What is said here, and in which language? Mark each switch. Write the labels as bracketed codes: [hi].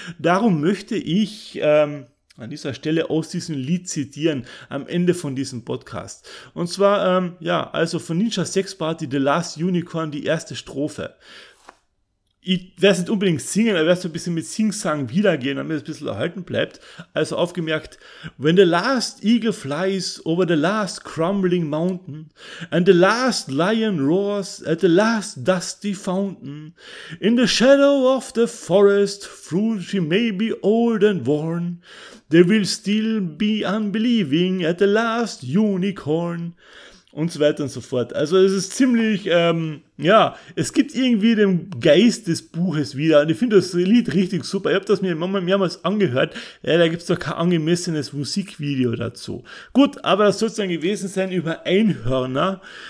[de] Darum möchte ich an dieser Stelle aus diesem Lied zitieren, am Ende von diesem Podcast. Und zwar, ja, also von Ninja Sex Party, The Last Unicorn, die erste Strophe. Ich werde es nicht unbedingt singen, aber werde es so ein bisschen mit Sing-Sang wiedergehen, damit es ein bisschen erhalten bleibt. Also aufgemerkt, [en] when the last eagle flies over the last crumbling mountain and the last lion roars at the last dusty fountain, in the shadow of the forest, through she may be old and worn, they will still be unbelieving at the last unicorn. [de] Und so weiter und so fort. Also es ist ziemlich, ja, es gibt irgendwie den Geist des Buches wieder. Und ich finde das Lied richtig super. Ich habe das mir mehrmals angehört. Ja, da gibt es doch kein angemessenes Musikvideo dazu. Gut, aber das soll es dann gewesen sein über Einhörner.